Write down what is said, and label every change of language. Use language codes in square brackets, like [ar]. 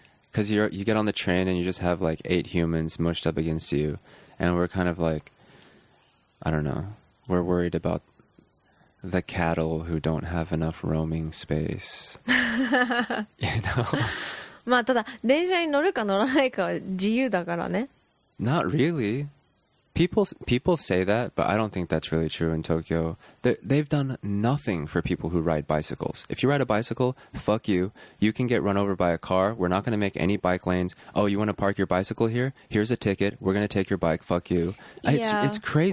[en] Because you get on the train and you just have, like, 8 humans mushed up against you. And we're kind of like... I don't know. We're worried about the cattle who don't have enough roaming space. you know? [ja] まあ、ただ、電車に乗るか乗らないかは自由だからね。 [en] Not really. People say that, but I don't think that's really true in Tokyo. They've done nothing for people who ride bicycles. If you ride a bicycle, fuck you. You can get run over by a car. We're not going to make any bike lanes. Oh, you want to park your bicycle here? Here's a ticket. We're going to take your bike. Fuck you. Yeah. It's crazy.